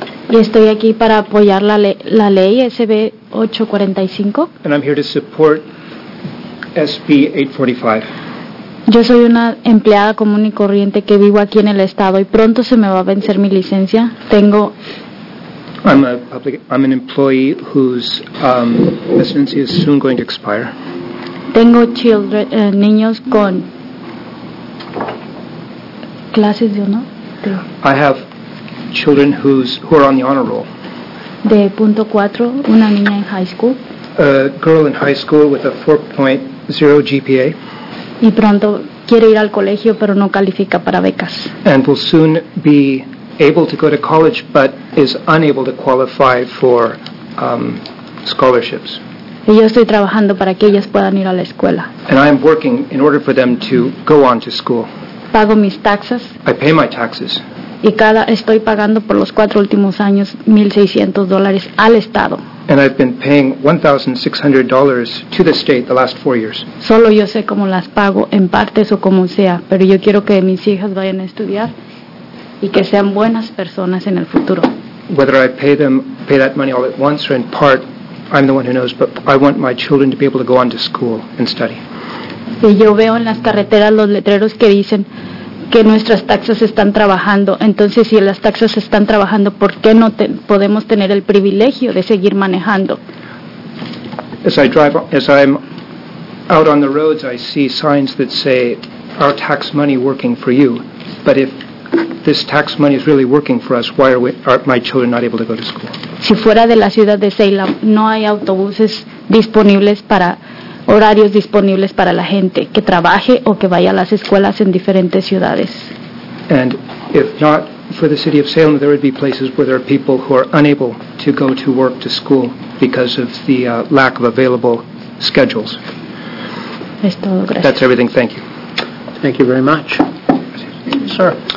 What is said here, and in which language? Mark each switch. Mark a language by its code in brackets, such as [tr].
[es] Y estoy aquí para apoyar la ley SB 845. [en] And I'm here to support SB 845. [es] Yo soy una empleada común y corriente que vivo aquí en el estado y pronto se me va a vencer mi licencia. Tengo... [en] I'm an employee whose residency is soon going to expire. [es] Tengo [en] children, [es] niños con clases de honor. [en] I have children who are on the honor roll. [es] De punto cuatro, una niña en [en] high school. A girl in high school with a 4.0 GPA. [es] Y pronto quiere ir al colegio, pero no califica para becas. [en] And will soon be able to go to college, but is unable to qualify for scholarships. [es] Y yo estoy trabajando para que ellas puedan ir a la escuela. [en] And I am working in order for them to go on to school. [es] Pago mis [en] taxes. I pay my taxes. [es] Y cada estoy pagando por los cuatro últimos años $1,600 al estado. [en] And I've been paying $1,600 to the state the last 4 years. [es] Solo yo sé cómo las pago en partes o como sea, pero yo quiero que mis hijas vayan a estudiar y que sean buenas personas en el futuro. [en] Whether I pay them pay that money all at once or in part, I'm the one who knows, but I want my children to be able to go on to school and study. [es] Y yo veo en las carreteras los letreros que dicen que nuestras taxas están trabajando. Entonces, si las taxas están trabajando, ¿por qué no podemos tener el privilegio de seguir manejando? [en] As I drive, as I'm out on the roads, I see signs that say our tax money working for you. But if this tax money is really working for us, why are my children not able to go to school? [es] Si fuera de la ciudad de Salem, no hay autobuses disponibles para horarios disponibles para la gente que trabaje o que vaya a las escuelas en diferentes ciudades. [en] And if not for the city of Salem, there would be places where there are people who are unable to go to work to school because of the lack of available schedules. [es] Es todo, gracias. [en] That's everything. Thank you. Thank you very much. Sir.